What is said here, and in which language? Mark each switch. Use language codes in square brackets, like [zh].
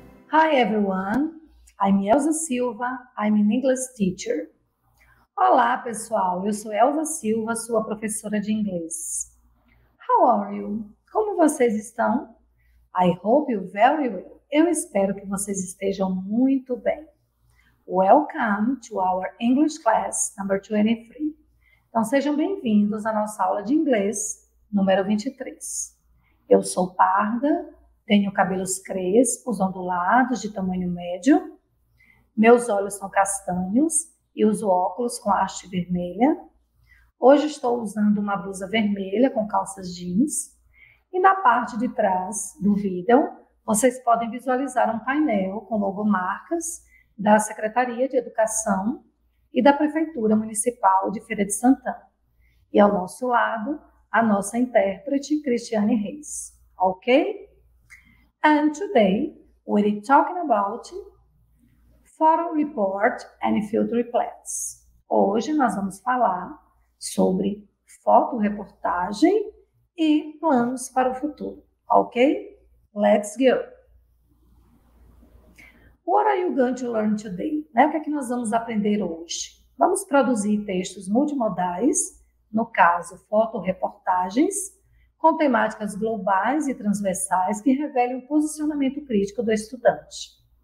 [en] Hi everyone, I'm Elza Silva, I'm an English teacher. [pt] Olá pessoal, eu sou Elza Silva, sua professora de inglês. [en] How are you? [pt] Como vocês estão? [en] I hope you're very well. [pt] Eu espero que vocês estejam muito bem. [en] Welcome to our English class number 23. [pt] Então sejam bem-vindos à nossa aula de inglês número 23. Eu sou parda. Tenho cabelos crespos, ondulados, de tamanho médio. Meus olhos são castanhos e uso óculos com haste vermelha. Hoje estou usando uma blusa vermelha com calças jeans. E na parte de trás do vídeo, vocês podem visualizar um painel com logomarcas da Secretaria de Educação e da Prefeitura Municipal de Feira de Santana. E ao nosso lado, a nossa intérprete, Cristiane Reis. Ok? [en] And today, we're talking about photo report and field reports. [pt] Hoje, nós vamos falar sobre fotoreportagem e planos para o futuro. Ok? [en] Let's go. What are you going to learn today? [pt] Né? O que é que nós vamos aprender hoje? Vamos produzir textos multimodais, no caso, fotoreportagens, com temáticas globais e transversais que revelem o posicionamento crítico do estudante.